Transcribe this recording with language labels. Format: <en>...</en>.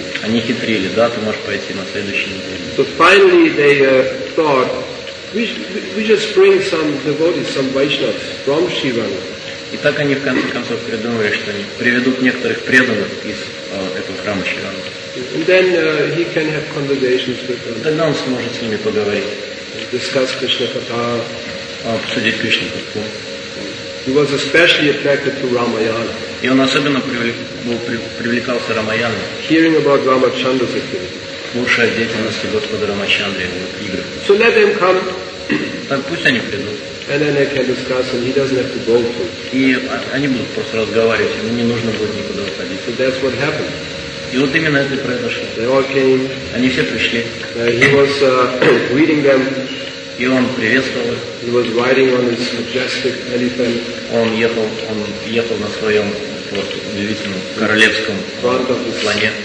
<ru>Они хитрили, да, ты можешь пойти на следующей неделе.</ru> <en>So finally they thought, we just bring some devotees, some Vaishnavas from Sri Rangam.</en> <ru>И так они в конце концов придумали, что они приведут некоторых преданных из этого храма Шри Рангам.</ru> <en>And then he can have conversations with them.</en> <ru>Тогда он сможет с ними поговорить.</ru> <en>Discuss Krishna Katha.</en> <ru>Обсудить Кришна Катху.</ru> <en>He was especially attracted to Ramayana.</en> <ru>И он особенно привлекался Рамаяной.</ru> <en>Hearing about Ramachandra's activity.</en> <ru>Слушая о деятельности Господа Рамачандры в играх.</ru> <en>So let them come.</en> <ru>Так пусть они придут.</ru> <en>And then they can discuss, and he doesn't have to go to.</en> <ru>И они будут просто разговаривать, ему не нужно будет никуда уходить.</ru> <en>So that's what happened.</en> <ru>И вот именно это и произошло.</ru> <en>They all came.</en> <ru>Они все пришли.</ru> <en>He was greeting them.</en> <ru>И он приветствовал их.</ru> <en>He was riding on his majestic elephant.</en> <ru>Он ехал на своем вот удивительном королевском слоне.</ru>